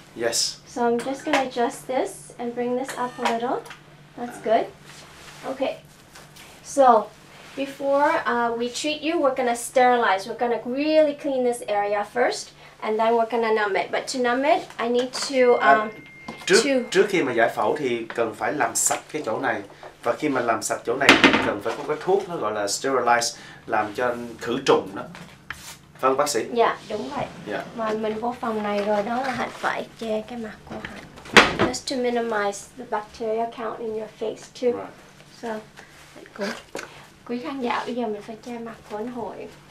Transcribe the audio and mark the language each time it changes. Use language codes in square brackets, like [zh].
[en] Yes. So I'm just gonna adjust this and bring this up a little. That's good. Okay. So before we treat you, we're gonna sterilize. We're gonna really clean this area first, and then we're gonna numb it. But to numb it, I need to [vi] Trước khi mà giải phẫu thì cần phải làm sạch cái chỗ này. Và khi mà làm sạch chỗ này thì cần phải có cái thuốc nó gọi là sterilize, làm cho khử trùng đó. Vâng bác sĩ. Dạ, yeah, đúng vậy. [en] Yeah. [vi] Mà mình vô phòng này rồi đó là Hạnh phải che cái mặt của Hạnh. [en] Just to minimize the bacteria count in your face too. Right. So, cool. [vi] Quý khán giả, bây giờ mình phải che mặt của anh Hội.